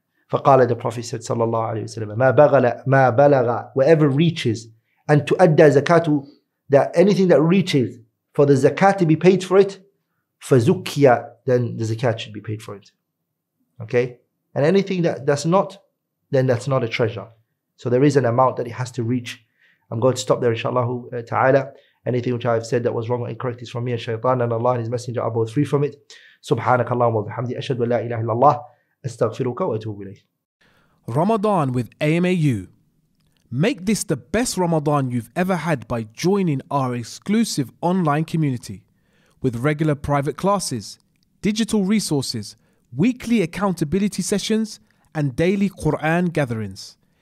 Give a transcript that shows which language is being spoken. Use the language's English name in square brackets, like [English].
[English] فقال, the Prophet said, صلى الله عليه وسلم, ما بلغ, whatever reaches, and to add the zakat, that anything that reaches for the zakat to be paid for it, فزكيه, then the zakat should be paid for it. Okay? And anything that's not, then that's not a treasure. So there is an amount that it has to reach. I'm going to stop there, inshallah ta'ala. Anything which I have said that was wrong or incorrect is from me and Shaytan, and Allah and His Messenger are both free from it. [Arabic] سبحانك اللهم وبحمدك أشهد أن لا إله إلا الله أستغفرك وأتوب إليك. [English] Ramadan with AMAU. Make this the best Ramadan you've ever had by joining our exclusive online community with regular private classes, digital resources, weekly accountability sessions, and daily Qur'an gatherings.